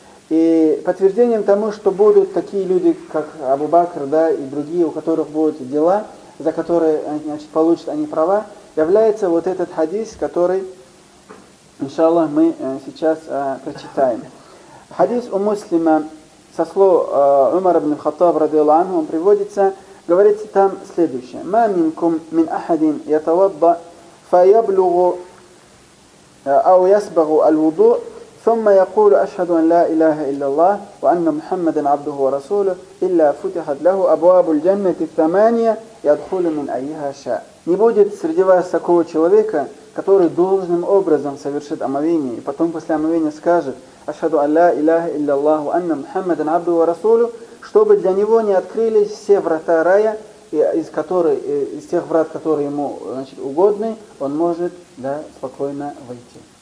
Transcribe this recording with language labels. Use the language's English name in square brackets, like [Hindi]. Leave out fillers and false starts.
[Russian] И подтверждением тому, что будут такие люди, как Абу Бакр, да, и другие, у которых будут дела, за которые, значит, получат они права, является вот этот хадис, который, иншаллах, мы сейчас прочитаем. Хадис у Муслима со слов Умара ибн Хаттаб, радиаллаху анху, он приводится, говорится там следующее. [Arabic] «Ма минкум мин ахадин ятавадда, фа яблугу ау ясбагу аль-вуду, ثُمَّ يَقُولُ أَشْهَدُ أَنْ لَا إِلَهَ إِلَّا اللَّهِ وَأَنَّ مُحَمَّدًا عَبْدُهُ وَرَسُولُهُ إِلَّا فُتِحَتْ لَهُ أَبْوَابُ الْجَنَّةِ الثَّمَانِيَةِ يَدْخُلُ مِنْ أَيِّهَا شَاءَ». [Russian] Не будет среди вас такого человека, который должным образом совершит омовение и потом после омовения скажет [Arabic] «أَشْهَدُ أَنْ لَا إِلَهَ إِلَّا اللَّهِ وَأَنَّ مُحَمَّدًا عَبْدُهُ وَرَسُولُهُ», [Russian] чтобы для него не открылись все врата рая, из тех врат, которые ему, значит, угодны, он может, да, спокойно войти.